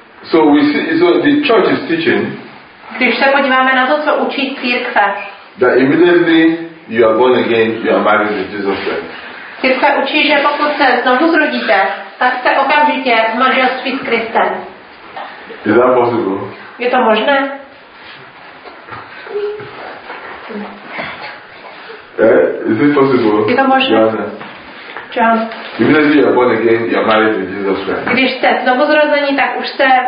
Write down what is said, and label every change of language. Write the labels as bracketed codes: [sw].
[en] So the church is teaching. [cs] Když se podíváme na to, co učí církve. [en] That immediately you are born again, you are married with Jesus Christ. [cs] Církve učí, že pokud se znovu zrodíte, tak jste okamžitě v manželství s Kristem. [en] Is that possible? [cs] Je to možné? [en] Is it possible? [cs] Je to možné? [en] Immediately you are born again, you are married with Jesus Christ. [cs] Když jste znovu zrození, tak už jste